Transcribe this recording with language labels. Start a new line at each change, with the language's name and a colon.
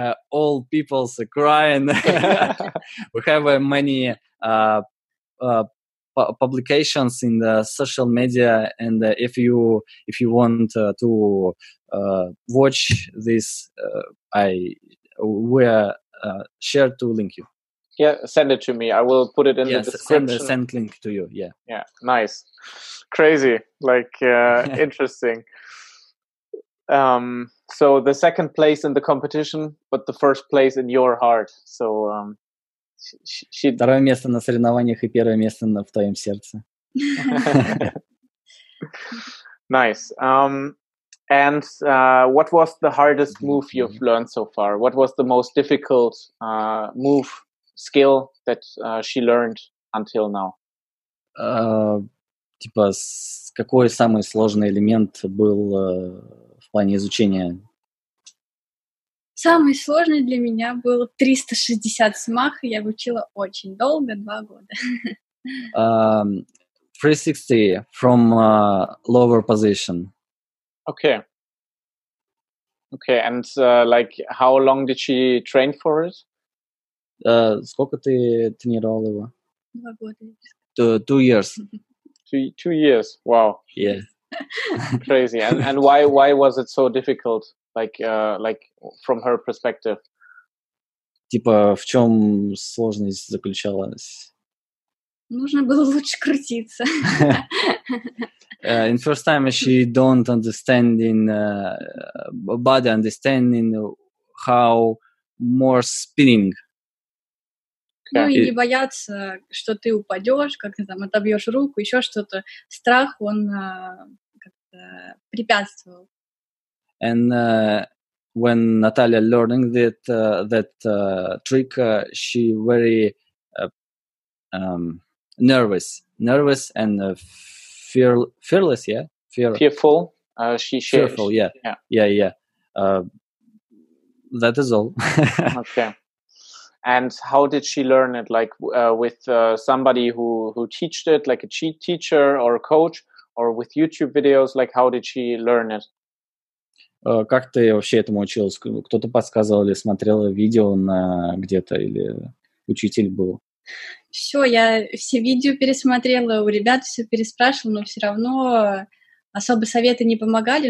English: All people's crying. We have many publications in the social media, and if you want to watch this, we share to link you. Yeah, send it to me. I will put it in the description. Send link to you. Yeah. Yeah. Nice. Crazy. Like interesting. So the second place in the competition, but the first place in your heart. So.
Russian: Второе место на соревнованиях и первое место в твоем сердце.
English: Nice. And what was the hardest move you've learned so far? What was the most difficult move, skill that she learned until now?
Russian: Типа, какой самый сложный элемент был в плане изучения? Самый сложный для меня был 360 смах, я учила очень долго, 2 года.
English: 360 from lower position. Okay. Okay, and like how long did she train for it?
Russian: Сколько ты тренировал его? 2 года.
English: Two years. Two years. Wow. Yeah. Crazy. And why was it so difficult? Like from her perspective.
Russian: Типа, в чем сложность заключалась? Нужно было лучше крутиться.
English: In first time she don't understand in body understanding how more spinning.
Russian: Ну и не бояться, что ты упадешь, как ты там отобьешь руку, еще что-то. Страх, он как-то препятствовал.
English: And when Natalia learning that trick, she very nervous and fearless. Yeah, fearful. She fearful. Yeah. That is all. Okay. And how did she learn it? Like with somebody who taught it, like a cheat teacher or a coach, or with YouTube videos? Like how did she learn it?
Russian: Как ты вообще этому училась? Кто-то подсказывал или смотрела видео на где-то, или учитель был? Все, я все видео пересмотрела, у ребят все переспрашивала, но все равно особо советы не помогали.